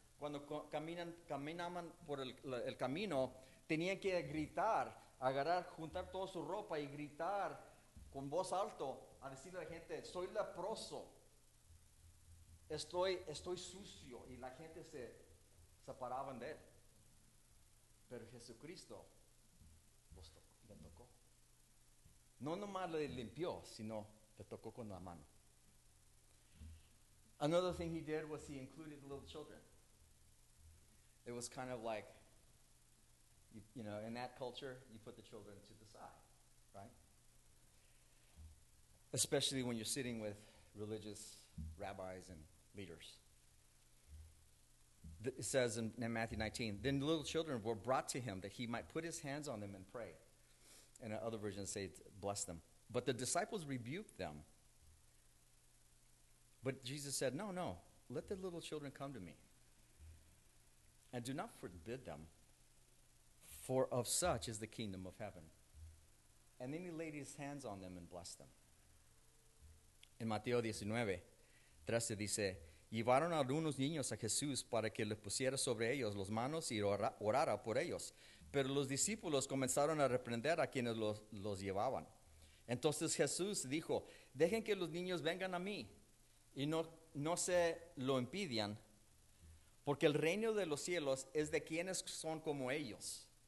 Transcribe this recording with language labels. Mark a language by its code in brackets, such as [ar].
[es] Cuando caminaban por el camino, tenían que gritar, agarrar, juntar toda su ropa y gritar con voz alta a decirle a la gente, "Soy leproso, estoy sucio", y la gente se separaban de él. Pero Jesucristo le tocó. No nomás le limpió, sino le tocó con la mano. [en] Another thing he did was he included the little children. It was kind of like, you know, in that culture, you put the children to the side, right? Especially when you're sitting with religious rabbis and leaders. It says in Matthew 19, "Then the little children were brought to him that he might put his hands on them and pray." And other versions say, "Bless them." But the disciples rebuked them. But Jesus said, no, "Let the little children come to me. And do not forbid them, for of such is the kingdom of heaven." And then he laid his hands on them and blessed them. [es] In Mateo 19, 13 dice, "Llevaron algunos niños a Jesús para que le pusiera sobre ellos las manos y orara por ellos. Pero los discípulos comenzaron a reprender a quienes los llevaban. Entonces Jesús dijo, 'Dejen que los niños vengan a mí y no se lo impidan, porque el reino de los cielos es de quienes son como ellos.'